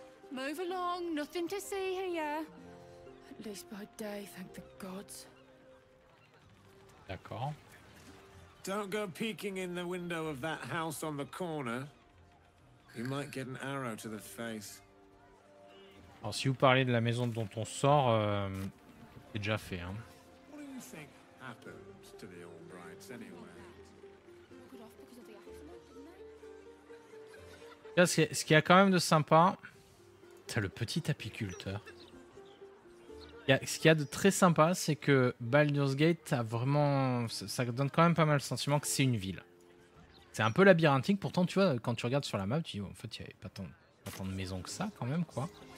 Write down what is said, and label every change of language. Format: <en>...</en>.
<en>Move along, nothing to see here. At least by day, thank the gods.</en> <fr>D'accord.</fr> <en>Don't go peeking in the window of that house on the corner. You might get an arrow to the face.</en> <fr>Alors si vous parlez de la maison dont on sort, c'est déjà fait, hein.</fr> <en>What do you think happened to the Albrights anyway?</en> <fr>Là, ce qu'il y a quand même de sympa, c'est le petit apiculteur. Ce qu'il y a de très sympa, c'est que Baldur's Gate a vraiment... Ça donne quand même pas mal le sentiment que c'est une ville. C'est un peu labyrinthique, pourtant tu vois, quand tu regardes sur la map, tu dis, oh, en fait, il n'y avait pas tant de maisons que ça quand même, quoi.</fr>